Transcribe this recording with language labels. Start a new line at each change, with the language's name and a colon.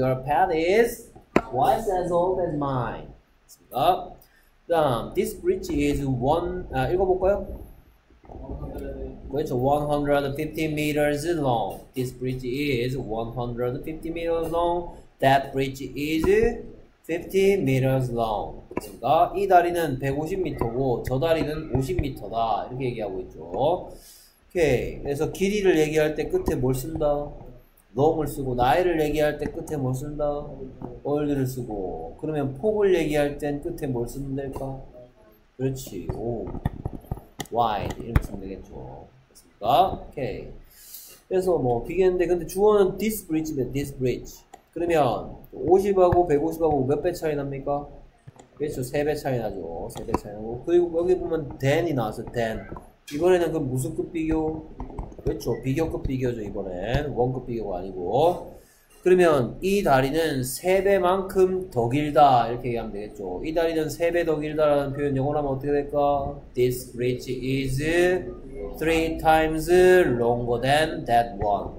English: Your pet is twice as old as mine.
Korean: 됐습니다. 다음,
English: this bridge is
Korean: 읽어볼까요? 그렇죠.
English: 150 meters long. This bridge is 150 meters long. That bridge is 50 meters long.
Korean: 그러니까 이 다리는 150m고 저 다리는 50m다. 이렇게 얘기하고 있죠. 오케이. 그래서 길이를 얘기할 때 끝에 뭘 쓴다? long을 쓰고 나이를 얘기할 때 끝에 뭘 쓴다? old를 쓰고. 그러면 폭을 얘기할 땐 끝에 뭘 쓰면 될까? 그렇지. 오. wide 이렇게 쓰면 되겠죠. 됐습니까? 오케이. 그래서 뭐 비겠는데 근데 주어는 this bridge인데 this bridge. 그러면 50하고 150하고 몇 배 차이 납니까? 그렇죠. 3배 차이 나죠. 3배 차이 나고. 그리고 여기 보면 than이 나왔어. than. 이번에는 그 무슨 급 비교? 그렇죠. 비교급 비교죠. 이번엔. 원급 비교가 아니고. 그러면 이 다리는 3배만큼 더 길다. 이렇게 얘기하면 되겠죠. 이 다리는 3배 더 길다라는 표현 영어로 하면 어떻게 될까?
English: This bridge is 3 times longer than that one.